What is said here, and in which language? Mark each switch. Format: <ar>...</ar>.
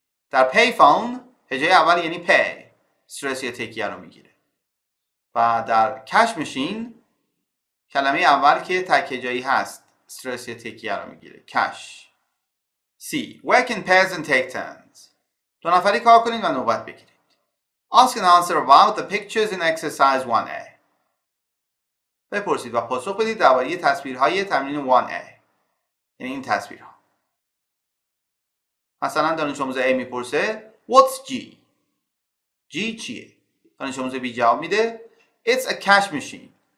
<fa>در پی فون هجای اول یعنی پی استرس یا تکیه رو میگیره. و در کش مشین کلمه اول که تک هجایی هست استرس یا تکیه رو میگیره. کش. سی.</fa> <en>Work in pairs and take turns.</en> <fa>دو نفری کار کنید و نوبت بگیرید.</fa> <en>Ask and answer about the pictures in exercise 1A.</en> <fa>بپرسید و پاسخ بدید درباره تصویرهای تمرین 1A. یعنی این تصویرها. مثلا دانش آموز A میپرسه</fa> <en>What's G?</en> <fa>G چیه؟ دانش آموز B جواب میده</fa> <en>It's a cash machine.</en>